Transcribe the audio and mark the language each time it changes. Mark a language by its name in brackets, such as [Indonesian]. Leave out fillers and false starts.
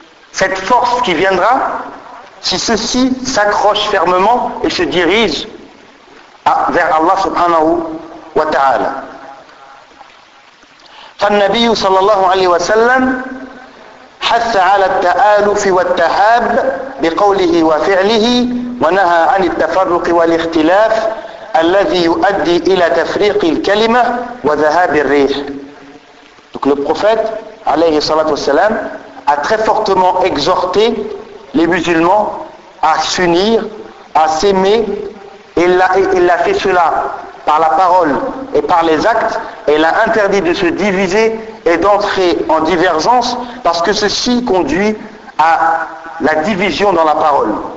[French] Cette force qui viendra, si ceux-ci s'accrochent fermement et se dirigent vers Allah [Arabic] subhanahu wa ta'ala. فالنبي صلى الله عليه وسلم حث على التآلف والتحاب بقوله وفعله ونهى عن التفرق والاختلاف الذي يؤدي إلى تفريق الكلمة وذهاب الريح. [French] Donc le prophète [Arabic] عليه الصلاة والسلام [French] a très fortement exhorté les musulmans à s'unir, à s'aimer, et il a fait cela par la parole et par les actes, et l'a interdit de se diviser et d'entrer en divergence, parce que ceci conduit à la division dans la parole.